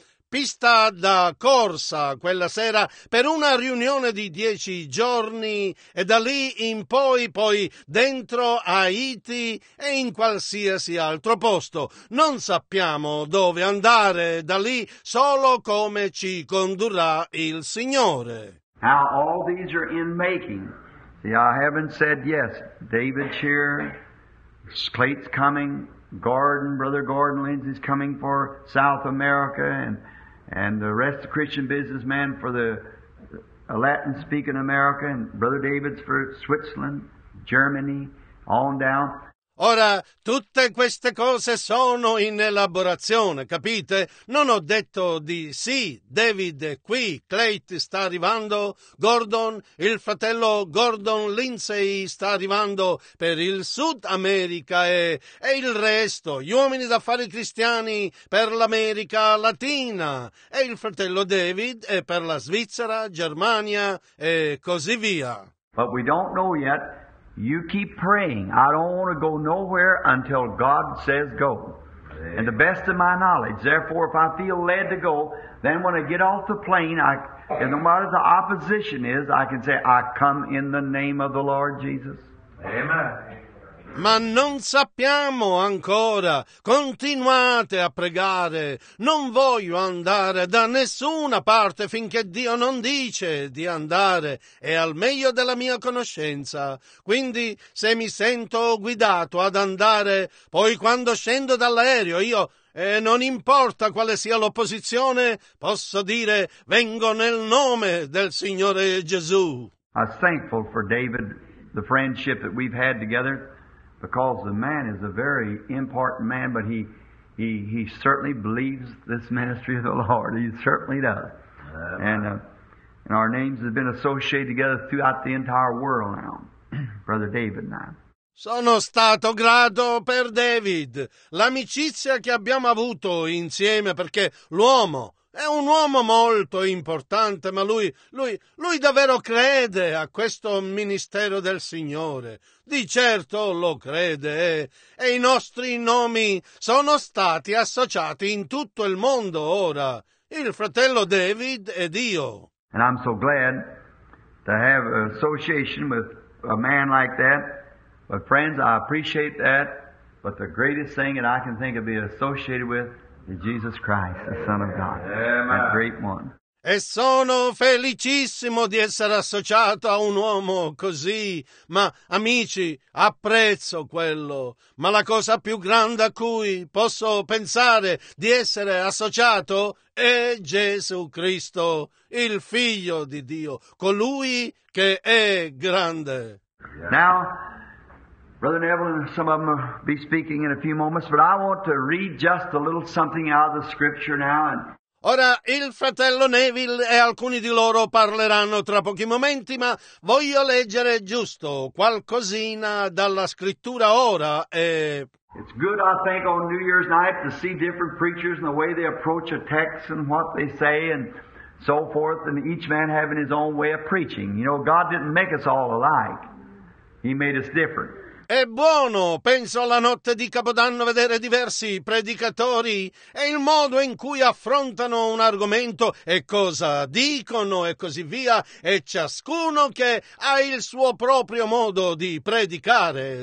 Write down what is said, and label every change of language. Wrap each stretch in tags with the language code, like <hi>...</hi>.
<it>pista da corsa quella sera per una riunione di 10 giorni e da lì in poi dentro Haiti e in qualsiasi altro posto. Non sappiamo dove andare da lì, solo come ci condurrà il Signore.</it> <en>Now all these are in making. See, I haven't said yes. David Shear, Clayton's coming, Gordon, Brother Gordon Lindsay's coming for South America and the rest of the Christian businessmen for the Latin-speaking America, and Brother David's for Switzerland, Germany, on down.</en> <it>Ora, tutte queste cose sono in elaborazione, capite? Non ho detto di sì, David è qui, Clayton sta arrivando, Gordon, il fratello Gordon Lindsay sta arrivando per il Sud America e il resto, gli uomini d'affari cristiani per l'America Latina e il fratello David è per la Svizzera, Germania e così via.</it> <en>But we don't know yet. You keep praying. I don't want to go nowhere until God says go. And the best of my knowledge, therefore, if I feel led to go, then when I get off the plane, and no matter the opposition is, I can say, I come in the name of the Lord Jesus. Amen.</en> <it>Ma non sappiamo ancora, continuate a pregare, non voglio andare da nessuna parte finché Dio non dice di andare, è al meglio della mia conoscenza, quindi se mi sento guidato ad andare, poi quando scendo dall'aereo io, non importa quale sia l'opposizione, posso dire vengo nel nome del Signore Gesù.</it> <en>I'm thankful for David, the friendship that we've had together. Because the man is a very important man, but he certainly believes this ministry of the Lord. He certainly does. And our names have been associated together throughout the entire world now, Brother David and I.</en> <it>Sono stato grato per David, l'amicizia che abbiamo avuto insieme, perché l'uomo è un uomo molto importante, ma lui davvero crede a questo ministero del Signore. Di certo lo crede e i nostri nomi sono stati associati in tutto il mondo ora, il fratello David ed io.</it> <en>And I'm so glad to have an association with a man like that. But friends, I appreciate that. But the greatest thing that I can think of being associated with is Jesus Christ, the Son of God, Amen. That great one.</en> <it>E sono felicissimo di essere associato a un uomo così, ma amici, apprezzo quello, ma la cosa più grande a cui posso pensare di essere associato è Gesù Cristo, il Figlio di Dio, colui che è grande.</it> <en>Now, Brother Neville and some of them will be speaking in a few moments, but I want to read just a little something out of the scripture now.</en> <it>Ora il fratello Neville e alcuni di loro parleranno tra pochi momenti, ma voglio leggere giusto qualcosina dalla scrittura ora e...</it> <en>It's good, I think, on New Year's night to see different preachers and the way they approach a text and what they say and so forth, and each man having his own way of preaching. You know, God didn't make us all alike. He made us different.</en> <it>È buono, penso alla notte di Capodanno, vedere diversi predicatori e il modo in cui affrontano un argomento e cosa dicono e così via, e ciascuno che ha il suo proprio modo di predicare.</it>